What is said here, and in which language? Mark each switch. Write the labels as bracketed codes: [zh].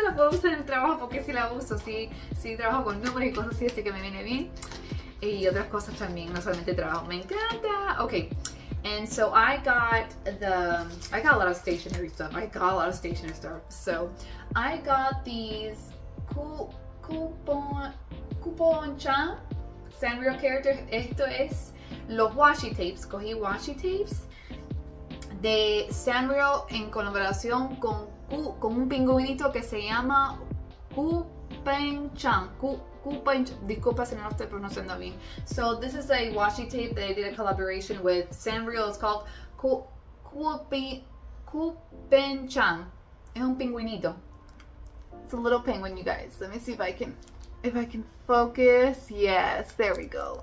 [es] La puedo usar en el trabajo porque sí la uso. Sí, trabajo con números y cosas así, así que me viene bien. Y otras cosas también, no solamente trabajo. Me encanta. [en] Okay, and so I got a lot of stationery stuff. I got a lot of stationery stuff. So I got these coupon cha Sanrio character. [es] Esto es los washi tapes. Cogí washi tapes de Sanrio en colaboración con un pingüinito que se llama disculpa si no lo estoy pronunciando bien. [en] So this is a washi tape that I did a collaboration with Sanrio. It's called Kupen-chan. [es] Es un pingüinito. [en] It's a little penguin, you guys. Let me see if I can focus. Yes, there we go.